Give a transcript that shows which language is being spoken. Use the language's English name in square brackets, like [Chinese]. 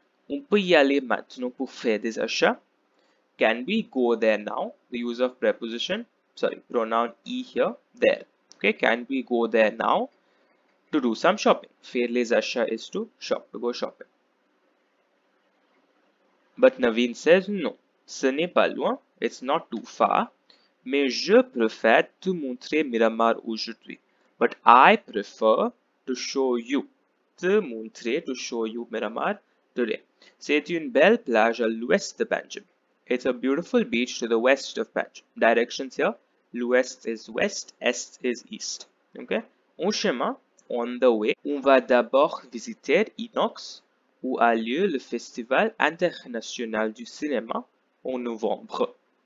[French] On peut y aller maintenant pour faire des achats? [English] Can we go there now? The use of preposition, sorry, pronoun e here, there. Okay, can we go there now to do some shopping? [French] Faire les achats [English] is to shop, to go shopping. But Naveen says no, [French] ce n'est pas loin, [English] it's not too far. [French] Mais je préfère te montrer Miramar aujourd'hui. [English] But I prefer to show you. [French] Te montrer, [English] to show you Miramar today. [French] C'est une belle plage à l'ouest de Panjim. [English] It's a beautiful beach to the west of Panjim. Directions here. L'ouest is west, est is east. Okay. [French] En chemin, [English] on the way, [French] on va d'abord visiter Inox, où a lieu le Festival International du Cinéma en novembre.